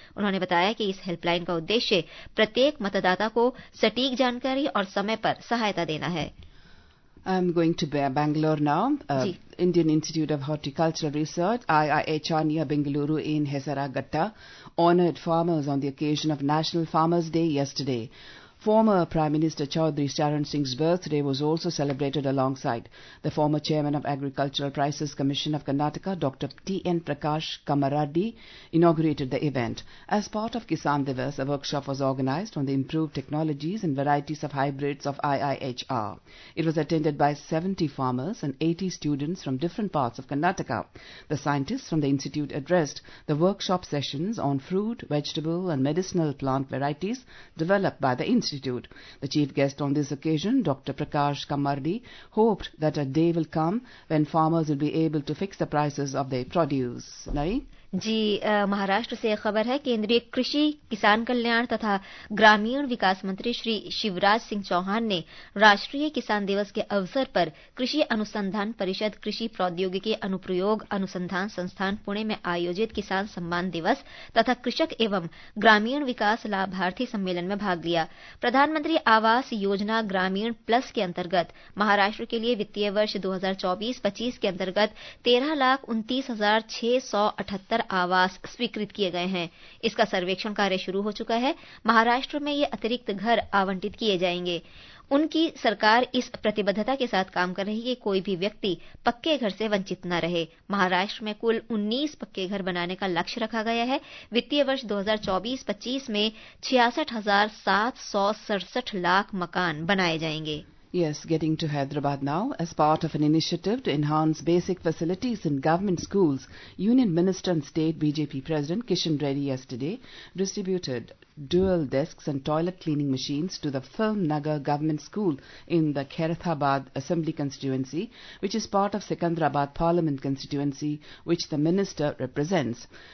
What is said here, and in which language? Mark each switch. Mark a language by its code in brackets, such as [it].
[hi] उन्होंने बताया कि इस हेल्पलाइन का उद्देश्य प्रत्येक मतदाता को सटीक जानकारी और समय पर सहायता देना है। [en] I am going to Bangalore now, Indian Institute of Horticultural Research IIHR near Bengaluru in Hesaraghatta honoured farmers on the occasion of national farmers day yesterday. Former Prime Minister Chaudhary Charan Singh's birthday was also celebrated alongside the former Chairman of Agricultural Prices Commission of Karnataka, Dr. T.N. Prakash Kamaradi, inaugurated the event. As part of Kisan Divas, a workshop was organized on the improved technologies and varieties of hybrids of IIHR. It was attended by 70 farmers and 80 students from different parts of Karnataka. The scientists from the institute addressed the workshop sessions on fruit, vegetable and medicinal plant varieties developed by the Institute. The chief guest on this occasion, Dr. Prakash Kamardi, hoped that a day will come when farmers will be able to fix the prices of their produce. [hi] Nahi? जी, महाराष्ट्र से खबर है। केंद्रीय कृषि किसान कल्याण तथा ग्रामीण विकास मंत्री श्री शिवराज सिंह चौहान ने राष्ट्रीय किसान दिवस के अवसर पर कृषि अनुसंधान परिषद कृषि प्रौद्योगिकी अनुप्रयोग अनुसंधान संस्थान पुणे में आयोजित किसान सम्मान दिवस तथा कृषक एवं ग्रामीण विकास लाभार्थी सम्मेलन में भाग लिया। प्रधानमंत्री आवास योजना ग्रामीण प्लस के अंतर्गत महाराष्ट्र के लिए वित्तीय वर्ष 2024-25 के अंतर्गत 13,29,678 आवास स्वीकृत किए गए हैं। इसका सर्वेक्षण कार्य शुरू हो चुका है। महाराष्ट्र में ये अतिरिक्त घर आवंटित किए जाएंगे। उनकी सरकार इस प्रतिबद्धता के साथ काम कर रही है कि कोई भी व्यक्ति पक्के घर से वंचित न रहे। महाराष्ट्र में कुल 19 पक्के घर बनाने का लक्ष्य रखा गया है। वित्तीय वर्ष 2024-25 में 66,767 लाख मकान बनाए जाएंगे। [en] Yes, getting to Hyderabad now. As part of an initiative to enhance basic facilities in government schools, Union Minister and State BJP President Kishan Reddy yesterday distributed dual desks and toilet cleaning machines to the Film Nagar Government School in the Khairathabad Assembly constituency, which is part of Secunderabad Parliament constituency, which the minister represents.